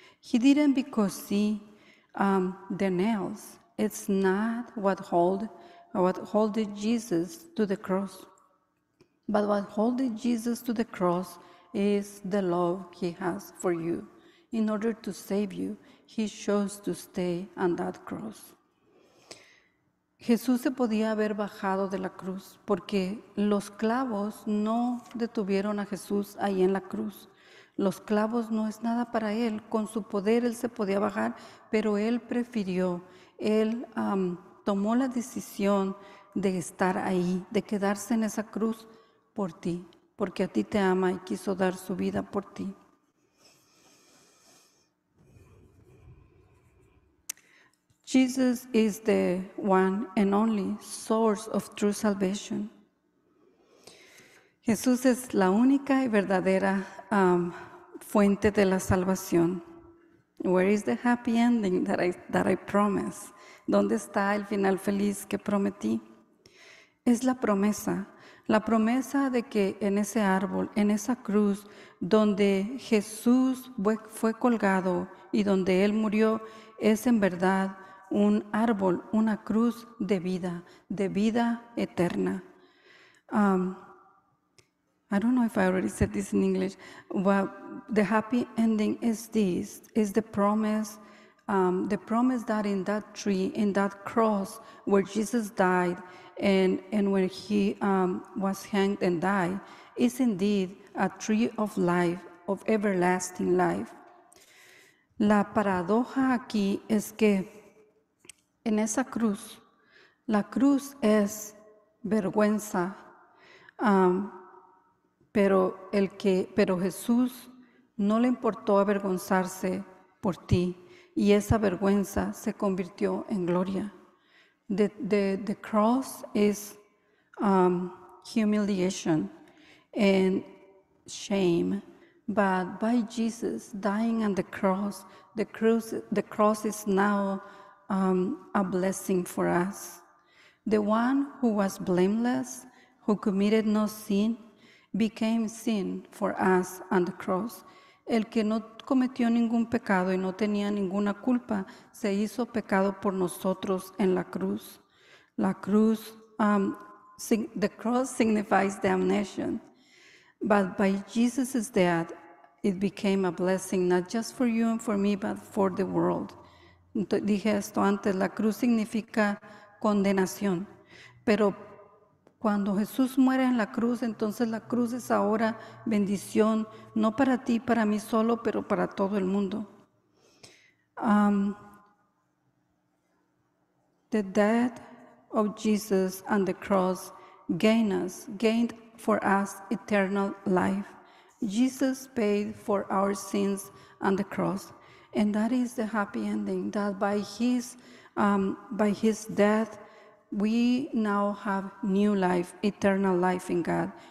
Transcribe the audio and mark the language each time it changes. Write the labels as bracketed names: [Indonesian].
[English] He didn't because the nails, it's not what holded Jesus to the cross. But what holded Jesus to the cross is the love he has for you. In order to save you, he chose to stay on that cross. [Spanish] Jesús se podía haber bajado de la cruz porque los clavos no detuvieron a Jesús ahí en la cruz. Los clavos no es nada para él. Con su poder él se podía bajar, pero él prefirió. Él tomó la decisión de estar ahí, de quedarse en esa cruz por ti, porque a ti te ama y quiso dar su vida por ti. [English] Jesus is the one and only source of true salvation. [Spanish] Jesús es la única y verdadera fuente de la salvación. [English] Where is the happy ending that I promised? [Spanish] ¿Dónde está el final feliz que prometí? Es la promesa de que en ese árbol, en esa cruz, donde Jesús fue colgado y donde él murió, es en verdad un árbol, una cruz de vida eterna. [English] I don't know if I already said this in English. Well, the happy ending is this, is the promise that in that tree, in that cross where Jesus died and where he was hanged and died, is indeed a tree of life, of everlasting life. [Spanish] La paradoja aquí es que En esa cruz, la cruz es vergüenza, pero Jesús no le importó avergonzarse por ti, y esa vergüenza se convirtió en gloria. [English] The cross is humiliation and shame, but by Jesus dying on the cross, the cross is now a blessing for us. The one who was blameless, who committed no sin, became sin for us on the cross. [Spanish] El que no cometió ningún pecado y no tenía ninguna culpa, se hizo pecado por nosotros en la cruz. La cruz, [English] the cross signifies damnation. But by Jesus' death, it became a blessing, not just for you and for me, but for the world. [Spanish] Dije esto antes, la cruz significa condenación. Pero cuando Jesús muere en la cruz, entonces la cruz es ahora bendición, no para ti, para mí solo, pero para todo el mundo. [English] The death of Jesus on the cross gained for us eternal life. Jesus paid for our sins on the cross. And that is the happy ending, that by his death, we now have new life, eternal life in God.